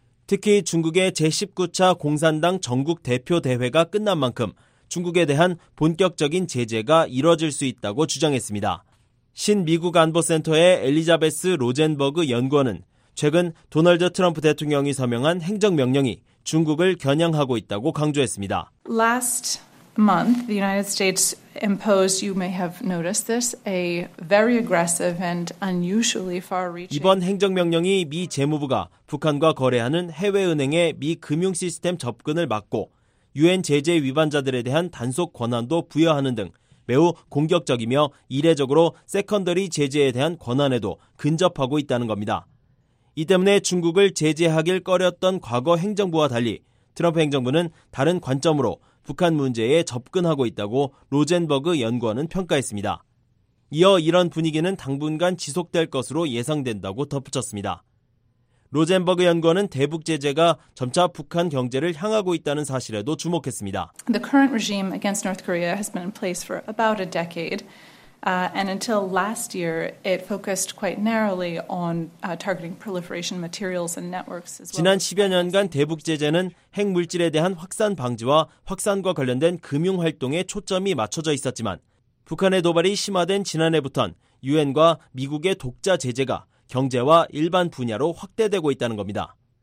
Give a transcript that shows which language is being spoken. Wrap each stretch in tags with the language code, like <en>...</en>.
<ko>특히 중국의 제19차 공산당 전국대표대회가 끝난 만큼 중국에 대한 본격적인 제재가 이뤄질 수 있다고 주장했습니다. 신미국안보센터의 엘리자베스 로젠버그 연구원은 최근 도널드 트럼프 대통령이 서명한 행정명령이 중국을 겨냥하고 있다고 강조했습니다.</ko> <en>Last month, the United States imposed, you may have noticed this, a very aggressive and unusually far-reaching.</en> <ko>이번 행정명령이 미 재무부가 북한과 거래하는 해외은행의 미 금융시스템 접근을 막고 UN 제재 위반자들에 대한 단속 권한도 부여하는 등 매우 공격적이며 이례적으로 세컨더리 제재에 대한 권한에도 근접하고 있다는 겁니다. 이 때문에 중국을 제재하길 꺼렸던 과거 행정부와 달리 트럼프 행정부는 다른 관점으로 북한 문제에 접근하고 있다고 로젠버그 연구원은 평가했습니다. 이어 이런 분위기는 당분간 지속될 것으로 예상된다고 덧붙였습니다. 로젠버그 연구원은 대북 제재가 점차 북한 경제를 향하고 있다는 사실에도 주목했습니다.</ko> <en>The current regime against North Korea has been in place for about a decade. And until last year, it focused quite narrowly on targeting proliferation materials and networks.</en> <ko>지난 10여 년간 대북 제재는 핵물질에 대한 확산 방지와 확산과 관련된 금융 활동에 초점이 맞춰져 있었지만 북한의 도발이 심화된 지난해부터는 UN과 미국의 독자 제재가 경제와 일반 분야로 확대되고 있다는 겁니다.</ko>